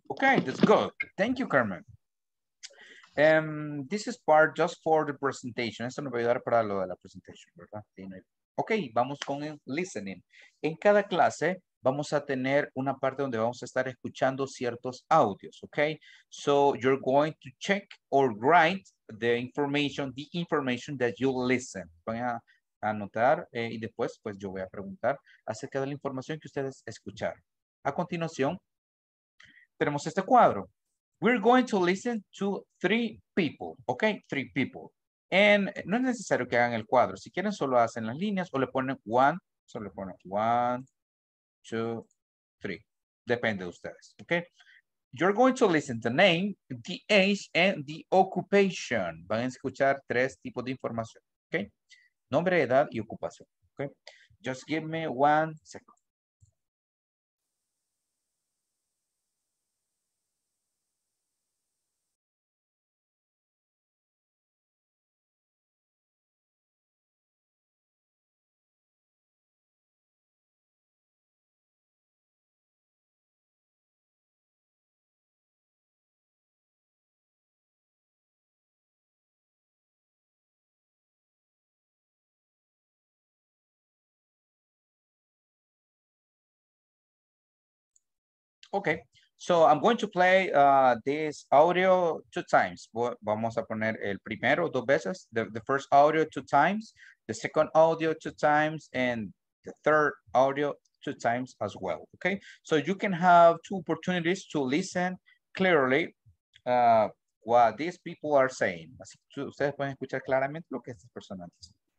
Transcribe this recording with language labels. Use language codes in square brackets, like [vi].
[en] Okay, that's good. Thank you, Carmen. This is part just for the presentation. [es] Esto nos va a ayudar para lo de la presentación, ¿verdad? Okay, vamos con el listening. En cada clase vamos a tener una parte donde vamos a estar escuchando ciertos audios, ¿ok? [en] So, you're going to check or write the information that you listen. [es] Voy a anotar y después, pues, yo voy a preguntar acerca de la información que ustedes escucharon. A continuación, tenemos este cuadro. [en] We're going to listen to three people, okay? Three people. And [es] no es necesario que hagan el cuadro. Si quieren, solo hacen las líneas o le ponen one. Solo le ponen one, two, three. Depende de ustedes, okay? [en] You're going to listen to the name, the age, and the occupation. [es] Van a escuchar tres tipos de información, okay? Nombre, edad y ocupación, okay? [en] Just give me one second. Okay, so I'm going to play this audio two times. [es] Vamos a poner el primero dos veces, [en] the first audio two times, the second audio two times, and the third audio two times as well, okay? So you can have two opportunities to listen clearly what these people are saying. [es] Así que ustedes pueden escuchar claramente lo que estas personas dicen.